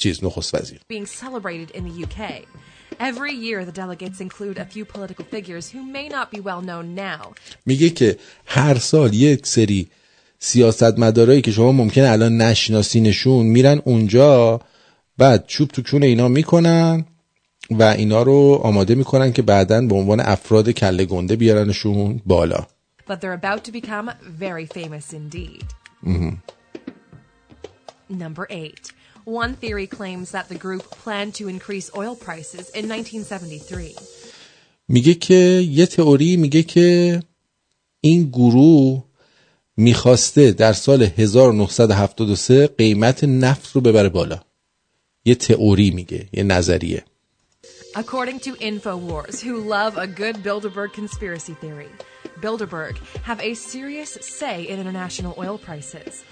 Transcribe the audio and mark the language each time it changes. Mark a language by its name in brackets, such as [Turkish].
[English] was being celebrated in the UK. Every year, the delegates include a few political figures who may not be well known now. [Persian] میگه که هر سال یک سری سیاستمدارایی که شما ممکنه الان نشناسینشون میرن اونجا، بعد چوب تو چونه اینا میکنن و اینا رو آماده میکنن که بعداً به عنوان افراد کله گنده بیارنشون بالا. [English] But they're about to become very famous indeed. Number 8. One theory claims that the group planned to increase oil prices in 1973. [Persian] میگه که یه تئوری میگه که این گروه میخواسته در سال 1973 قیمت نفت رو ببره بالا. یه تئوری میگه، یه نظریه. [English] According to InfoWars, who love a good Bilderberg conspiracy theory, Bilderberg have a serious say in international oil prices.